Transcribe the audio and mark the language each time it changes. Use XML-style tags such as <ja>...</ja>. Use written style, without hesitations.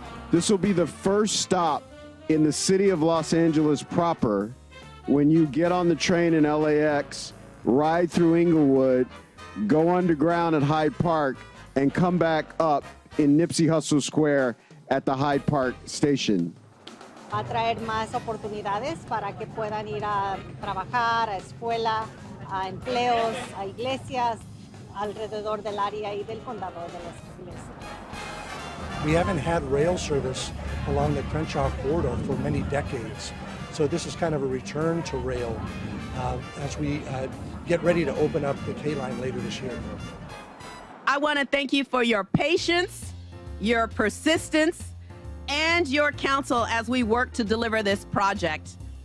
<en>This will be the first stop in the city of Los Angeles proper when you get on the train in LAX, ride through Inglewood, go underground at Hyde Park, and come back up in Nipsey Hussle Square at the Hyde Park station.</en> <es>Va a traer más oportunidades para que puedan ir a trabajar, a escuela, a empleos, a iglesias alrededor del área y del condado de Los Ángeles.</es> <en>We haven't had rail service along the Crenshaw corridor for many decades, so this is kind of a return to rail as we get ready to open up the K-Line later this year. I want to thank you for your patience, your persistence, and your counsel as we work to deliver this project.</en>